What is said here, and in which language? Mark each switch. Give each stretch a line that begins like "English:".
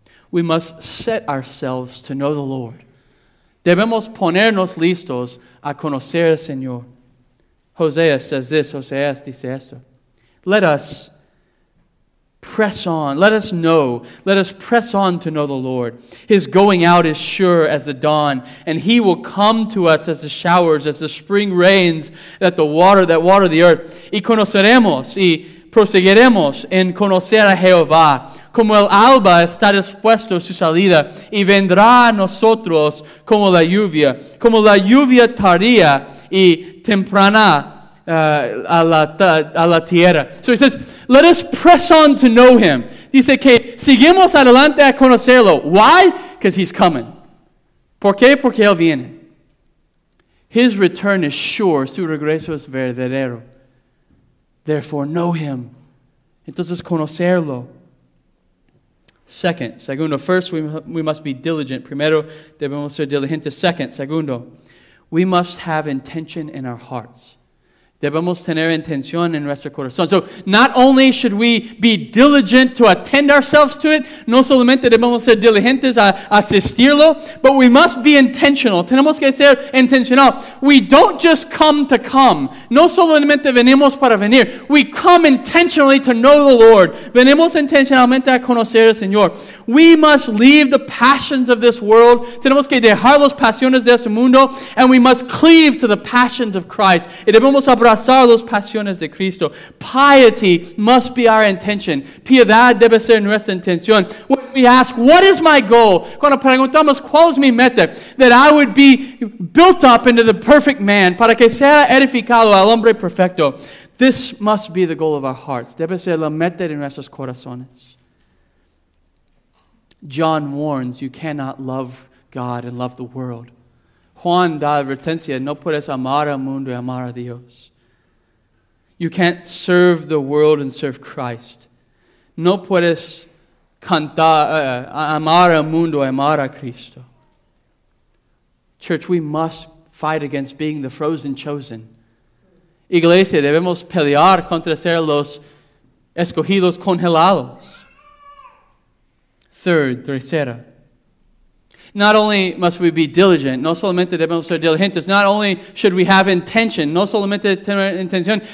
English: We must set ourselves to know the Lord.
Spanish: Debemos ponernos listos a conocer al Señor.
English: Hosea says this,
Spanish: Hosea dice esto.
English: Let us press on. Let us know. Let us press on to know the Lord. His going out is sure as the dawn, and He will come to us as the showers, as the spring rains that water the earth.
Spanish: Y conoceremos y proseguiremos en conocer a Jehová. Como el alba está dispuesto su salida, y vendrá a nosotros como la lluvia. Como la lluvia tardía y temprana a la tierra.
English: So he says, let us press on to know Him.
Spanish: Dice que seguimos adelante a conocerlo.
English: Why? Because He's coming.
Spanish: ¿Por qué? Porque Él viene.
English: His return is sure.
Spanish: Su regreso es verdadero.
English: Therefore, know Him.
Spanish: Entonces, conocerlo.
English: First, we must be diligent.
Spanish: Primero, debemos ser diligentes.
English: Second, we must have intention in our hearts.
Spanish: Debemos tener intención en nuestro corazón.
English: So, not only should we be diligent to attend ourselves to it,
Spanish: no solamente debemos ser diligentes a asistirlo,
English: but we must be intentional.
Spanish: Tenemos que ser intencional.
English: We don't just come to come.
Spanish: No solamente venimos para venir.
English: We come intentionally to know the Lord.
Spanish: Venimos intencionalmente a conocer al Señor.
English: We must leave the passions of this world.
Spanish: Tenemos que dejar las pasiones de este mundo.
English: And we must cleave to the passions of Christ.
Spanish: Y debemos abrazar las pasiones de Cristo.
English: Piety must be our intention.
Spanish: Piedad debe ser nuestra intención.
English: When we ask, what is my goal?
Spanish: Cuando preguntamos, ¿cuál es mi meta?
English: That I would be built up into the perfect man.
Spanish: Para que sea edificado al hombre perfecto.
English: This must be the goal of our hearts.
Spanish: Debe ser la meta de nuestros corazones.
English: John warns, you cannot love God and love the world.
Spanish: Juan da advertencia, no puedes amar al mundo y amar a Dios.
English: You can't serve the world and serve Christ.
Spanish: No puedes amar al mundo y amar a Cristo.
English: Church, we must fight against being the frozen chosen.
Spanish: Iglesia, debemos pelear contra ser los escogidos congelados.
English: Third,
Spanish: tercera.
English: Not only must we be diligent,
Spanish: no solamente debemos ser diligentes,
English: not only should we have intention,
Spanish: no solamente tener intención.